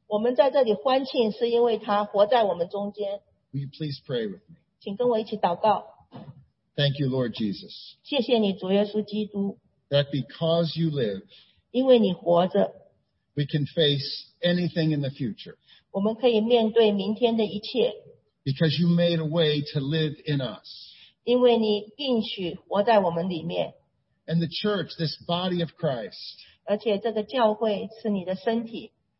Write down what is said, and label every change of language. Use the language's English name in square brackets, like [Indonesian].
[Chinese] 我们在这里欢庆，是因为他活在我们中间。 [English] Will you please pray with me? [Chinese] 请跟我一起祷告。 [English] Thank you, Lord Jesus. [Chinese] 谢谢你，主耶稣基督。 [English] That because you live, [Chinese] 因为你活着， [English] we can face anything in the future. [Chinese] 我们可以面对明天的一切。 [English] Because you made a way to live in us. [Chinese] 因为你应许活在我们里面。 [English] And the church, this body of Christ, [Chinese] 而且这个教会是你的身体。